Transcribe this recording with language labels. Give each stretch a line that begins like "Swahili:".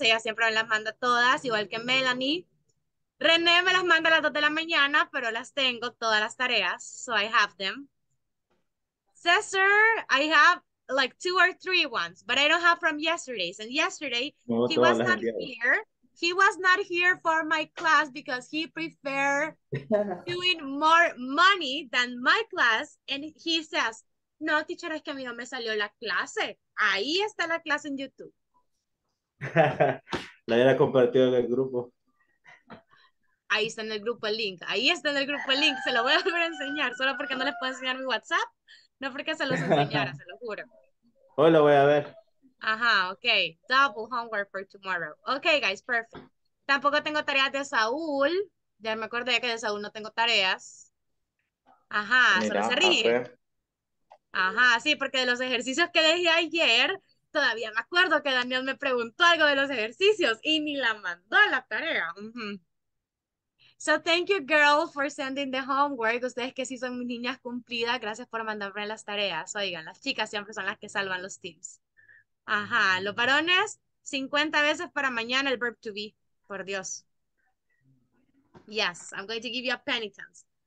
Spanish: Ella siempre me las manda todas, igual que Melanie. René me las manda a las 2 de la mañana, pero las tengo todas las tareas,
English: so I have them. César, I have like 2 or 3 ones, but I don't have from yesterday's. And yesterday, he was not here. He was not here for my class because he preferred doing more money than my class. And he says,
Spanish: no, teacher, es que a mí no me salió la clase. Ahí está la clase en YouTube. La era compartida en el grupo. Ahí está en el grupo el link. Ahí está en el grupo el link. Se lo voy a volver a enseñar. Solo porque no les puedo enseñar mi WhatsApp. No porque se los enseñara, se lo juro. Hoy lo voy a ver.
English: Ajá, ok. Double homework for tomorrow. Ok, guys, perfect.
Spanish: Tampoco tengo tareas de Saúl. Ya me acordé que de Saúl no tengo tareas. Ajá, mira, solo se ríe. Ajá, sí, porque de los ejercicios que dejé ayer, todavía me acuerdo que Daniel me preguntó algo de los ejercicios y ni la mandó a la tarea.
English: So thank you, girls, for sending the homework.
Spanish: Ustedes que sí son niñas cumplidas, gracias por mandarme las tareas. Oigan, las chicas siempre son las que salvan los teams. Ajá, los varones, 50 veces para mañana el verb to be. Por Dios.
English: Yes, I'm going to give you a penitence.